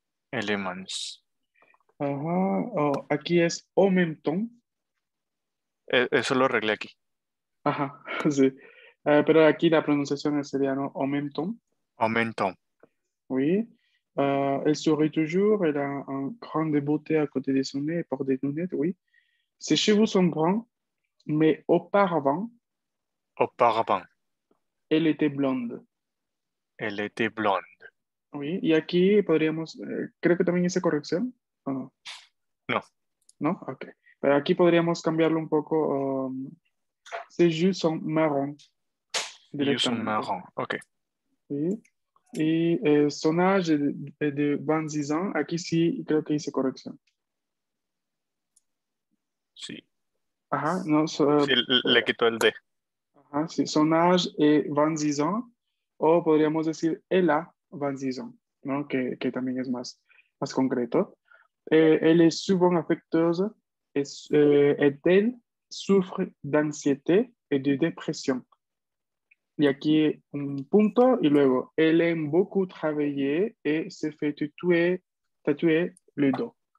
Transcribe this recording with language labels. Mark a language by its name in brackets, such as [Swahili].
[English] Elements. [Spanish] Oh, aquí es omentón. Eso lo arreglé aquí. Ajá, sí. Pero aquí la pronunciación sería, ¿no? Omentón. [English] Momentum. [French] Oui. Elle sourit toujours. Elle a un grand beauté à côté de son nez et porte des lunettes. Oui. Ses cheveux sont bruns. Mais auparavant, Auparavant, elle était blonde. elle était blonde. [Spanish] Oui, y aquí podríamos, creo que también hice corrección, ¿o no? No. ¿No? Ok. Pero aquí podríamos cambiarlo un poco. [French] Ses yeux sont marrons [Spanish] Ellos son directamente. marrón. Okay. [French] Sí. Y son âge de 26 ans. [Spanish] Aquí sí creo que hice corrección. Sí. Ajá, no. So, sí, le quitó el D. [French] Ajá, sí. Son âge de 26 ans. [Spanish] O podríamos decir elle a 26 ans, ¿no? Que también es más, más concreto. [French] Elle est souvent affectueuse. Elle souffre d'anxiété et de dépression. [Spanish] Y aquí un punto y luego elle aime beaucoup travailler et se fait tatouer le dos.